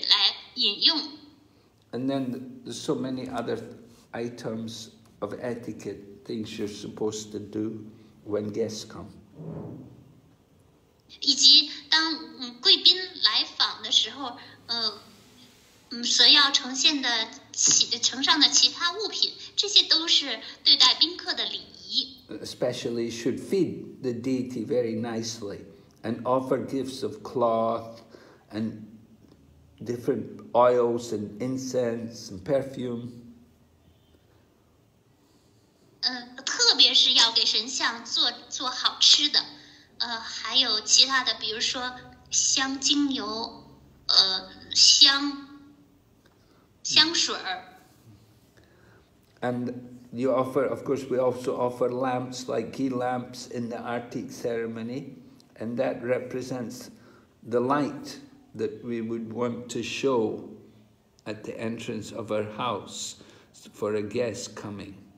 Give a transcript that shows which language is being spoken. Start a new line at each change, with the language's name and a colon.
Chinese: 当崇拜神像的时候呢，人必须知道该怎么来，彬彬有礼的来招待他们，就好像家中有贵客来访。首先呢，要给他献上鼻祖水洗脚水，并且给他呈现呢，就是带着香气的水来饮用。
English: And then there's so many other items of etiquette, things you're supposed to do when guests come.
Chinese: 以及当贵宾来访的时候，所要呈现的其他物品，这些都是对待宾客的礼仪。
English: Especially should feed the deity very nicely, and offer gifts of cloth, and different oils and incense and perfume.
Chinese: 特别是要给神像做好吃的, 还有其他的, 比如说香精油, 香水。
English: And you offer, of course, we also offer lamps, like key lamps in the Artic ceremony, and that represents the light that we would want to show at the entrance of our house for a guest coming.